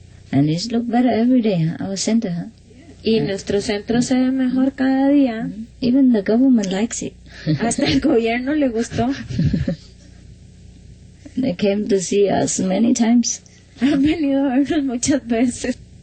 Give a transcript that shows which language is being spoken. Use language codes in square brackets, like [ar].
[en] And it looks better every day, our center, huh? [es] Y nuestro centro se ve mejor cada día. [en] Even the government likes it. [es] Hasta el gobierno le gustó. [en] They came to see us many times. [es] Han venido a vernos muchas veces.